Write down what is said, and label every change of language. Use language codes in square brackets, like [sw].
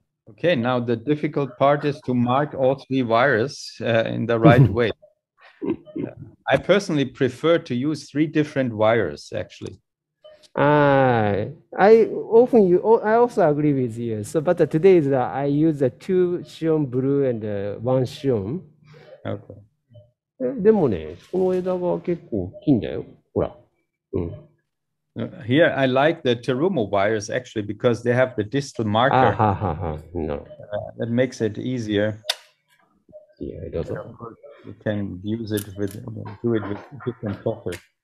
[en] Okay, now the difficult part is to mark all three wires in the right way. I personally prefer to use three different wires, actually. I also agree with you. So, but today is I use the two shion blue and one shion. Okay. [ja] でもね、この枝は結構大きいんだよ。ほら。 [en] Here, I like the Terumo wires, actually, because they have the distal marker. Ah, ha, ha, ha. No. That makes it easier. Yeah, it doesn't. You can use it with, do it with different software.